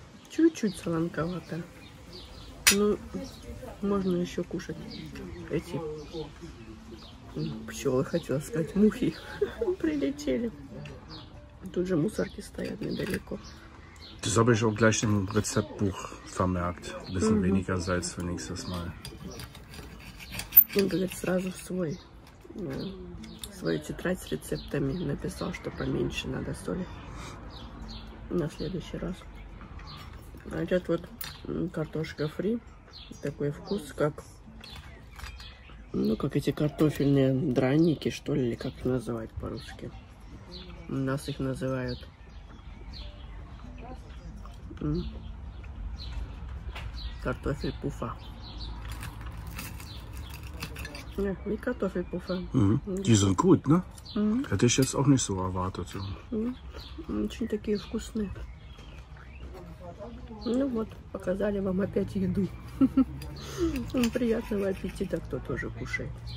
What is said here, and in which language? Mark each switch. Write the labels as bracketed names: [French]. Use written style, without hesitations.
[Russian] Чуть-чуть солонковато. Ну, можно еще кушать эти пчелы, хотела сказать, мухи прилетели. Тут же мусорки стоят недалеко. [German] Das habe ich auch gleich im Rezeptbuch vermerkt. Ein bisschen weniger Salz für nächstes Mal. [Russian] Он говорит, сразу свой, свою тетрадь с рецептами написал, что поменьше надо соли на следующий раз. А этот вот картошка фри, такой вкус, как, ну, как эти картофельные драники, что ли, или как их называть по-русски. У нас их называют картофель пуфа. Не, не картофель пуфа. [German] Die sind gut, ne? Hätte ich jetzt auch nicht so erwartet. [Russian] Очень такие вкусные. Ну вот, показали вам опять еду. Приятного аппетита, кто тоже кушает.